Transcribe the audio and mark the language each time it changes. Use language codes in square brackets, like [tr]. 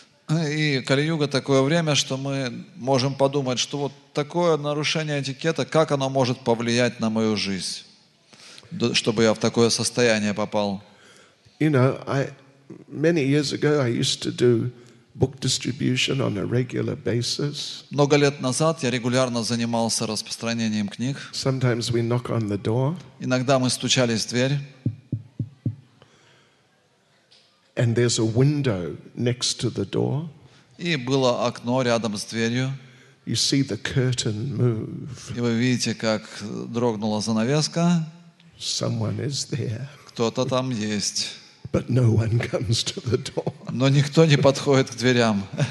[ru] И Кали-Юга такое время, что мы можем подумать, что вот такое нарушение этикета, как оно может повлиять на мою жизнь, чтобы я в такое состояние попал. [en] You know, many years ago I used to do book distribution on a regular basis. [ru] Много лет назад я регулярно занимался распространением книг. [en] Sometimes we knock on the door. [ru] Иногда мы стучались в дверь. [en] And there's a window next to the door. [ru] И было окно рядом с дверью. [en] You see the curtain move. [ru] И вы видите, как дрогнула занавеска. [en] Someone is there. [ru] Кто-то там есть. [en] But no one comes to the door. [ru] Но никто не подходит к дверям.